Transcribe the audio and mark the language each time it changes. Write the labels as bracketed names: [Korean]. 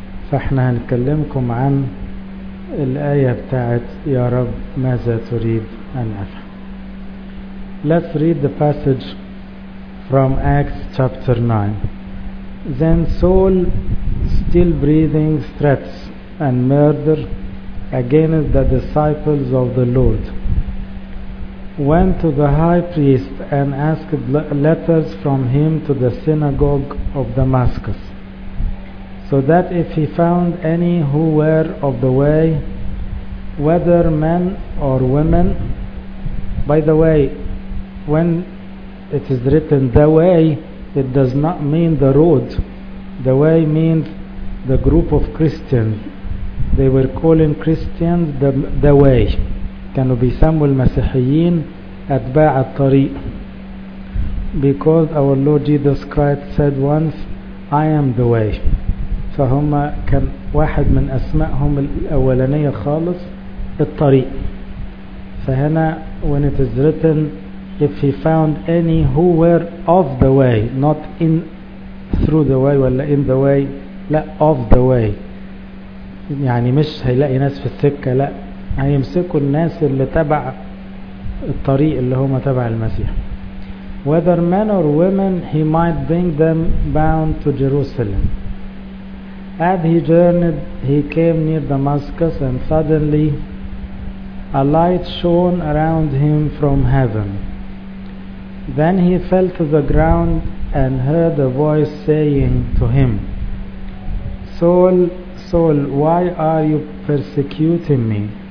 [Arabic] فاحنا هنكلمكم عن الآية بتاعت يا رب ماذا تريد أن أفعل. [English] Let's read the passage from Acts chapter 9. Then Saul, still breathing threats and murder against the disciples of the Lord, went to the high priest and asked letters from him to the synagogue of Damascus, so that if he found any who were of the way, whether men or women. By the way, when it is written the way, it does not mean the road. The way means the group of Christians. They were calling Christians the way. [Arabic] كانوا بيسموا المسيحيين أتباع الطريق. [English] Because our Lord Jesus Christ said once, I am the way. [Arabic] فهما كان واحد من أسمائهم الأولانية خالص الطريق. فهنا [English] when it is written, if he found any who were of the way, not in through the way [Arabic] ولا [English] in the way, [Arabic] لا [English] of the way. [Arabic] يعني مش هيلاقي ناس في السكة, لا هيمسكوا الناس اللي تبع الطريق اللي هما تبع المسيح. [English] Whether men or women, he might bring them bound to Jerusalem. As he journeyed, he came near Damascus, and suddenly a light shone around him from heaven. Then he fell to the ground and heard a voice saying to him, Saul, Saul, why are you persecuting me?